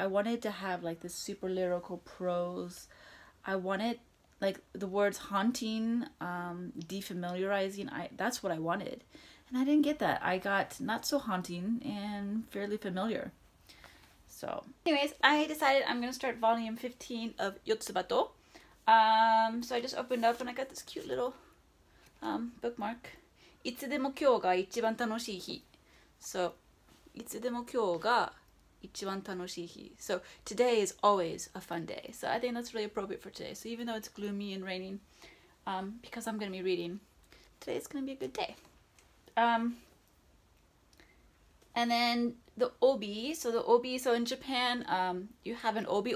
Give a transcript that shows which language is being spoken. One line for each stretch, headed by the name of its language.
English: I wanted to have like this super lyrical prose. I wanted like the words haunting, defamiliarizing. That's what I wanted. And I didn't get that. I got not so haunting and fairly familiar. So anyways, I decided I'm gonna start volume 15 of Yotsubato. So I just opened up and I got this cute little bookmark.
Japanese: いつでも今日が一番楽しい日。So, いつでも今日が一番楽しい日。
English: So, today is always a fun day. So, I think that's really appropriate for today. So, even though it's gloomy and raining, because I'm going to be reading, today is going to be a good day. And then the obi. So, the obi. So, in Japan, you have an obi.